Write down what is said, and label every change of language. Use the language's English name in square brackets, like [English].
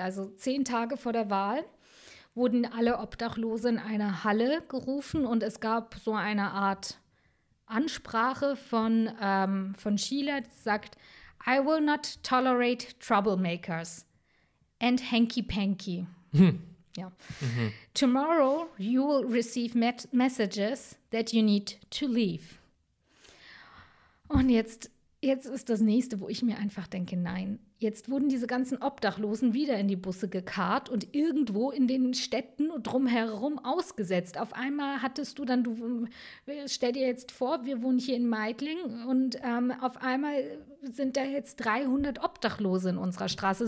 [German] Also 10 Tage vor der Wahl wurden alle Obdachlose in eine Halle gerufen und es gab so eine Art Ansprache von Sheila, die sagt, [English] I will not tolerate troublemakers and hanky-panky. [German] Ja. [English] Tomorrow you will receive messages that you need to leave. [German] Und jetzt ist das Nächste, wo ich mir einfach denke, nein. Jetzt wurden diese ganzen Obdachlosen wieder in die Busse gekarrt und irgendwo in den Städten drumherum ausgesetzt. Auf einmal hattest du dann, stell dir jetzt vor, wir wohnen hier in Meidling und auf einmal sind da jetzt 300 Obdachlose in unserer Straße.